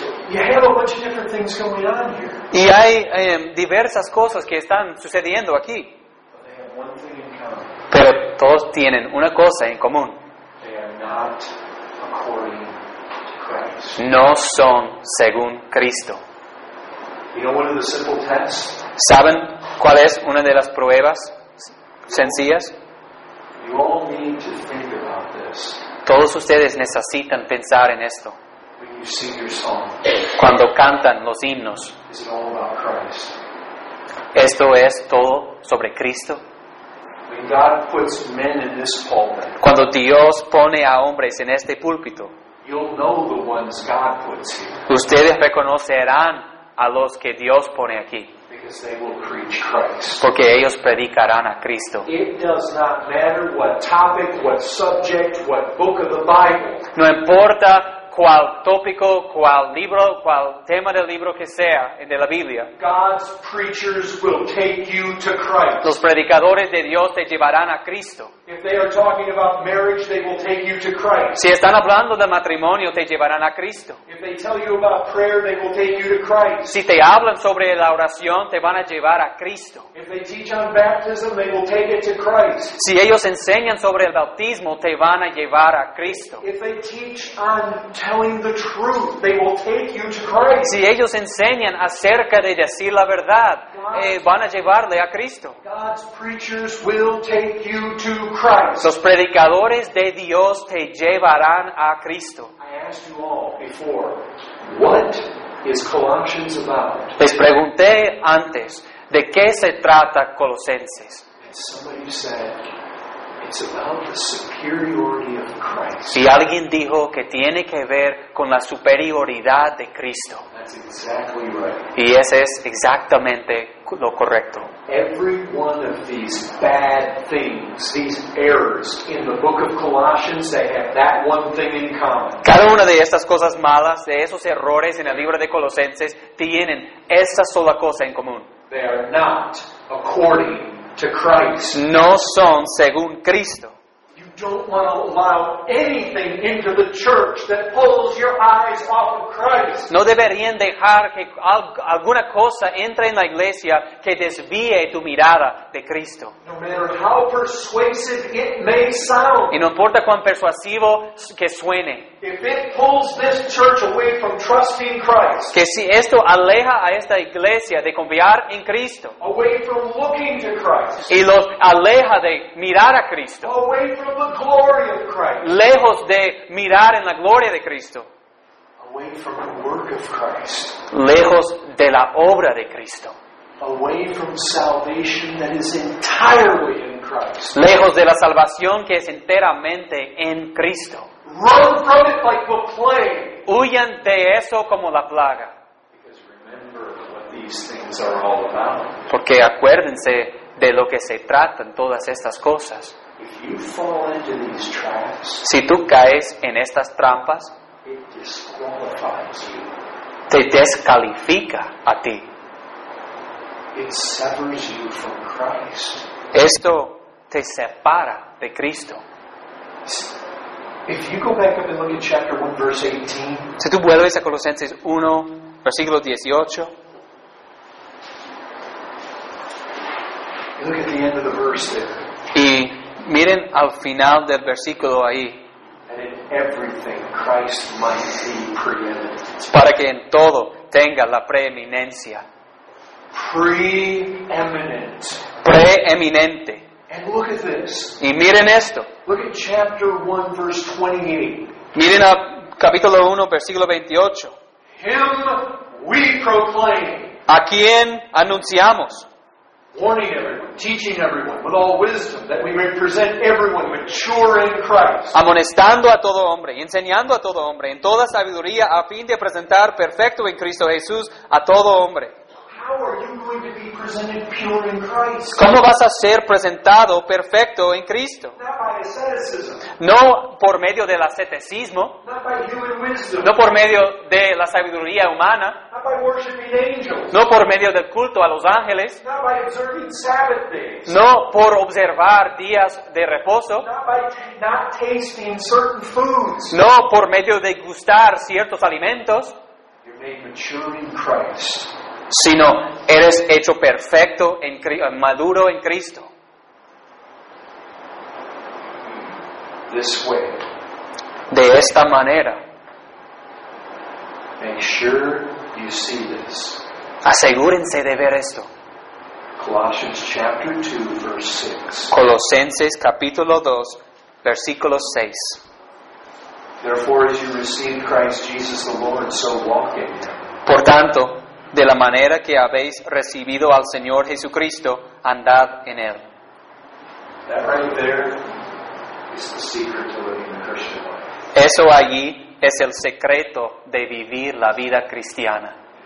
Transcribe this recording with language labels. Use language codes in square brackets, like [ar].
[en] You have a bunch of different things going on here. [es] Y hay diversas cosas que están sucediendo aquí. [en] But they have one thing in common. [es] Pero todos tienen una cosa en común. [en] They are not according. [es] No son según Cristo. [en] You know, one of the simple tests? [es] ¿Saben cuál es una de las pruebas sencillas? [en] You all need to think about this. [es] Todos ustedes necesitan pensar en esto. [en] When you sing your song, [es] cuando cantan los himnos. [en] Is it all about Christ? [es] ¿Esto es todo sobre Cristo? [en] When God puts men in this pulpit, [es] cuando Dios pone a hombres en este púlpito. [en] You'll know the ones God puts here. [es] Ustedes reconocerán a los que Dios pone aquí. [en] Because because they will preach Christ. [es] Porque ellos predicarán a Cristo. [en] It does not matter what topic, what subject, what book of the Bible. [es] No importa cuál tópico, cuál libro, cuál tema del libro que sea de la Biblia. [en] God's preachers will take you to Christ. [es] Los predicadores de Dios te llevarán a Cristo. [en] If they are talking about marriage, they will take you to Christ. [es] Si están hablando de matrimonio, te llevarán a Cristo. [en] If they tell you about prayer, they will take you to Christ. [es] Si te hablan sobre la oración, te van a llevar a Cristo. [en] If they teach on baptism, they will take it to Christ. [es] Si ellos enseñan sobre el bautismo, te van a llevar a Cristo. [en] If they teach on telling the truth, they will take you to Christ. [es] Si ellos enseñan acerca de decir la verdad, van a llevarle a Cristo. [en] God's preachers will take you to Christ. [es] Los predicadores de Dios te llevarán a Cristo. [en] I asked you all before, what is Colossians about? [es] Les pregunté antes, ¿de qué se trata Colosenses? [en] And somebody said, it's about the superiority of Christ. [es] Y alguien dijo que tiene que ver con la superioridad de Cristo. [en] Exactly right. [es] Y ese es exactamente lo correcto. [en] Every one of these bad things, these errors in the book of Colossians, they have that one thing in common. [es] Cada una de estas cosas malas, de esos errores en el libro de Colosenses, tienen esta sola cosa en común. [en] They are not according to Christ. [es] No son según Cristo. [en] Don't want to allow anything into the church that pulls your eyes off of Christ. [es] No deberían dejar que alguna cosa entre en la iglesia que desvíe tu mirada de Cristo. [en] No matter how persuasive it may sound. [es] Y no importa cuán persuasivo que suene. [en] If it pulls this church away from trusting Christ. [es] Que si esto aleja a esta iglesia de confiar en Cristo. [en] Away from looking to Christ. [es] Y los aleja de mirar a Cristo. [en] Away from the glory of Christ. [es] Lejos de mirar en la gloria de Cristo. [en] Away from the work of Christ. [es] Lejos de la obra de Cristo. [en] Away from salvation that is entirely in Christ. [es] Lejos de la salvación que es enteramente en Cristo. [en] Run from it like the plague. [es] Huyan de eso como la plaga. [en] Because remember what these things are all about. [es] Porque acuérdense de lo que se tratan todas estas cosas. [en] If you fall into these traps, [es] si tú caes en estas trampas, [en] it disqualifies you. [es] Te descalifica a ti. [en] It severs you from Christ. [es] Esto te separa de Cristo. [en] If you go back up and look at chapter 1, verse 18. [es] Si tú vuelves a Colosenses 1, versículo 18. [en] Look at the end of the verse there. [es] Y miren al final del versículo ahí. [en] And in everything Christ might be preeminent. [es] Para que en todo tenga la preeminencia. [en] Preeminent. [es] Preeminente. [en] And look at this. [es] Y miren esto. [en] Look at chapter 1, verse 28. [es] Miren a capítulo 1, versículo 28. [en] Him we proclaim. [es] ¿A quién anunciamos? [en] Warning everyone, teaching everyone with all wisdom that we may present everyone mature in Christ. [es] Amonestando a todo hombre, enseñando a todo hombre, en toda sabiduría a fin de presentar perfecto en Cristo Jesús a todo hombre. [en] How are you going to be presented pure in Christ? [es] ¿Cómo vas a ser presentado perfecto en Cristo? [en] Not by asceticism. [es] No por medio del asceticismo. [en] Not by human wisdom. [es] No por medio de la sabiduría humana. [en] Not by worshiping angels. [es] No por medio del culto a los ángeles. [en] Not by observing Sabbath days. [es] No por observar días de reposo. [en] Not tasting certain foods. [es] No por medio de gustar ciertos alimentos. [en] You're made mature in Christ. [es] Sino eres hecho perfecto, maduro en Cristo. [en] This way. [es] De esta manera. [en] Make sure you see this. [es] Asegúrense de ver esto. [en] Colossians chapter 2, verse 6. [es] Colosenses capítulo 2, versículo 6. [en] Therefore, as you received Christ Jesus the Lord, so walk in. [es] Por tanto, de la manera que habéis recibido al Señor Jesucristo, andad en Él. [en] That right there is the secret to living a Christian life. [es] Eso allí es el secreto de vivir la vida cristiana.